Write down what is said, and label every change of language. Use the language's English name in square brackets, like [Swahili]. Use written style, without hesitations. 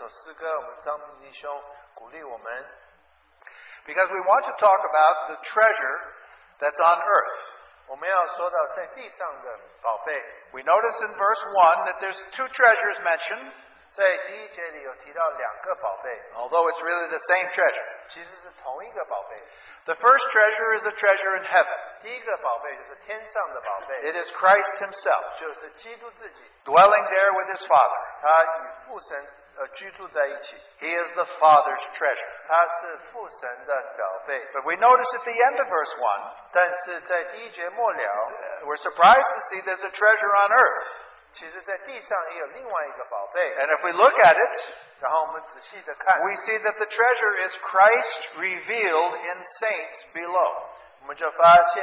[Chinese] 今天早上我们接着唱这首诗歌，我们张弟兄鼓励我们。 [English] Because we want to talk about the treasure that's on earth. [Chinese] 我们要说到在地上的宝贝。 [English] We notice in verse 1 that there's two treasures mentioned. [Chinese] 在第一节里有提到两个宝贝。 [English] Although it's really the same treasure. [Chinese] 其实是同一个宝贝。 [English] The first treasure is a treasure in heaven. [Chinese] 第一个宝贝就是天上的宝贝。 [English] It is Christ himself. [Chinese] 就是基督自己。 [English] Dwelling there with his Father. [Chinese] 他与父神。 [English] He is the Father's treasure. [Chinese] 他是父神的宝贝。 [English] But we notice at the end of verse 1, [Chinese] 但是在第一节末了, [English] we're surprised to see there's a treasure on earth. [Chinese] 其实在地上也有另外一个宝贝。 [English] And if we look at it, [Chinese] 然后我们仔细地看, [English] we see that the treasure is Christ revealed in saints below.